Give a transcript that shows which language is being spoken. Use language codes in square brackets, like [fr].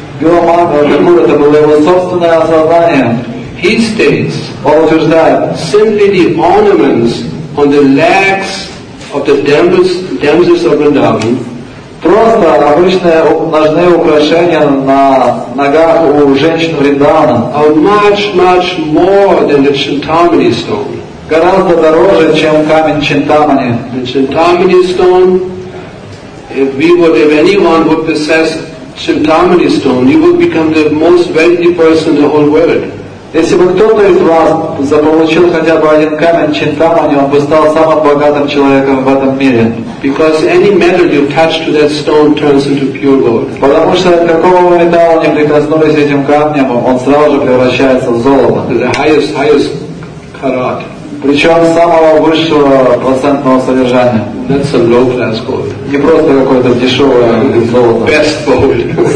[ru] Его мандала это было его собственное осознание. [en] He states, [ru] он утверждает, [en] simply the ornaments on the legs of the damsels of Vrindavan. [ru] Просто обычные ножные украшения на ногах у женщин Вриндавана. [en] Are much, much more than the Chintamani stone. [ru] Гораздо дороже, чем камень Чинтамани. [en] The Chintamani stone, if anyone would possess Chintamani stone, he would become the most wealthy person in the whole world. [ru] Если бы кто-то из вас заполучил хотя бы один камень Чинтамани, он бы стал самым богатым человеком в этом мире. [en] Because any metal you touch to that stone turns into pure gold. [ru] Потому что какого металла не прикоснулись этим камнем, он сразу же превращается в золото. [en] The highest carat. [ru] Причем самого высшего процентного содержания. [en] That's some low class gold. [ru] Не просто какое-то дешевое золото. [en] Best gold.